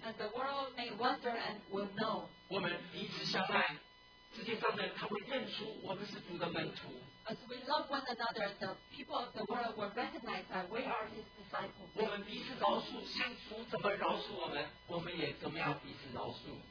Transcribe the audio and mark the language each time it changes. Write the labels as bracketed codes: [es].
[en] and the world may wonder and will know. [zh] 我们彼此相爱, 世界上的人他会认出我们是主的门徒。 [en] As we love one another, the people of the world will recognize that we are His disciples. [zh] 我们彼此饶恕，像主怎么饶恕我们，我们也怎么样彼此饶恕。